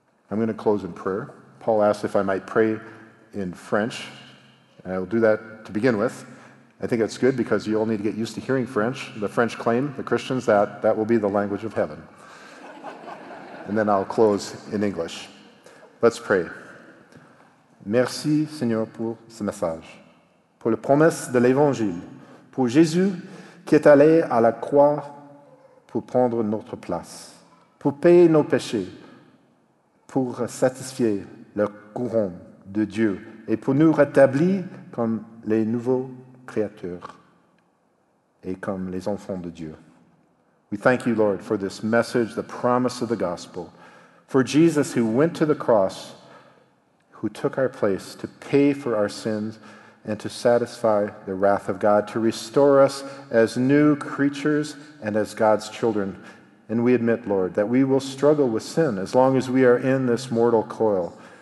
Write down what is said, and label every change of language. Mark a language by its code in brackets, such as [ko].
[en] I'm going to close in prayer. Paul asked if I might pray in French, and I will do that to begin with. I think that's good because you all need to get used to hearing French. The French claim, the Christians, that will be the language of heaven. And then I'll close in English. Let's pray. [fr] Merci, Seigneur, pour ce message, pour la promesse de l'Évangile, pour Jésus qui est allé à la croix pour prendre notre place, pour payer nos péchés, pour satisfaire le courant de Dieu et pour nous rétablir comme les nouveaux créatures et comme les enfants de Dieu. [en] We thank you, Lord, for this message, the promise of the gospel. For Jesus, who went to the cross, who took our place to pay for our sins and to satisfy the wrath of God, to restore us as new creatures and as God's children. And we admit, Lord, that we will struggle with sin as long as we are in this mortal coil.